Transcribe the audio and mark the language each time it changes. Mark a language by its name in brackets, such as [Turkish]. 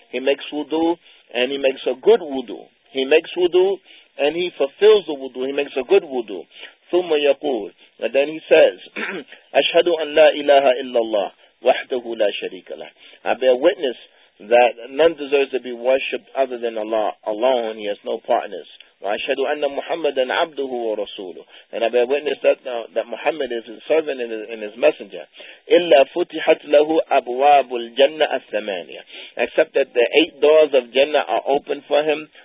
[English] He makes wudu and he makes a good wudu. He makes wudu and he fulfills the wudu. He makes a good wudu. [Arabic] ثم يقول, [English] and then he says, [Arabic] أشهد أن لا إله إلا الله وحده لا شريك له. [English] I bear witness that none deserves to be worshipped other than Allah alone. He has no partners. [Arabic] وأشهد أن محمدا عبده ورسوله. [English] And I bear witness that Muhammad is his servant and his messenger. [Arabic] إلا فتحت له أبواب الجنة الثمانية. [English] Except that the eight doors of Jannah are open for him.